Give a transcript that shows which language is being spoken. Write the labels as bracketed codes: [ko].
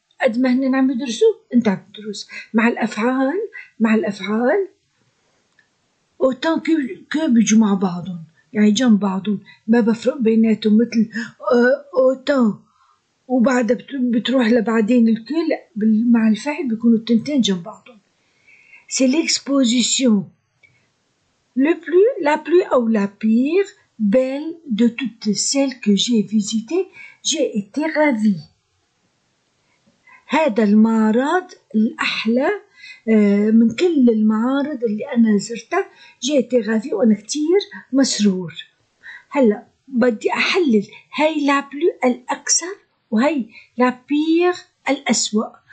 [ar] قد ما هن عم يدرسوا انت عم تدرس مع الافعال، مع الافعال اوتان كو بيجوا مع بعضهم يعني جنب بعضهم، ما بفرق بيناتهم مثل اوتان وبعدها بتروح لبعدين الكو، لا مع الفعل بيكونوا التنتين جنب بعضهم. [fr] C'est l'exposition. Le plus, la plus ou la pire, belle de toutes celles que j'ai visitées, j'ai été ravie. [ar] هذا المعرض الأحلى من كل المعارض اللي أنا زرتها، [fr] j'ai été ravie [ar] وأنا كتير مسرور. هلا بدي أحلل هاي [fr] la plus [ar] الأكثر وهي [fr] la pire [ar] الأسوأ.